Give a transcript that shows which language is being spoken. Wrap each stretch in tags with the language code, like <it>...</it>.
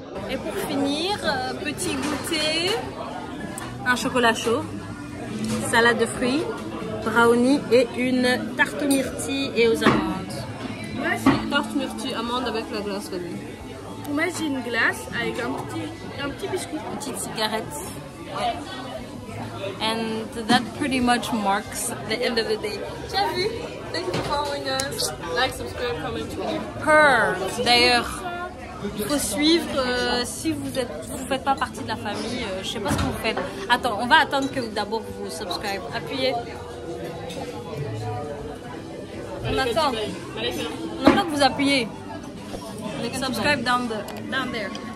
<fr>Et pour finir, petit goûter, un chocolat chaud, salade de fruits, brownie et une tarte myrtille et aux amandes. Merci. Tarte myrtille amande avec la glace, vas-y. Pour moi, j'ai une glace avec un petit biscuit. Petite cigarette.</fr> <en>And that pretty much marks the end of the day. Chavi, thank you for following us. Like, subscribe, comment, tweet. Purr.</en> <fr>D'ailleurs, il faut suivre si vous êtes, vous faites pas partie de la famille. Je sais pas ce que vous faites. Attends, on va attendre que d'abord vous subscribe. Appuyez. On attend. On attend que vous appuyez.</fr> <en>Subscribe down there.</en>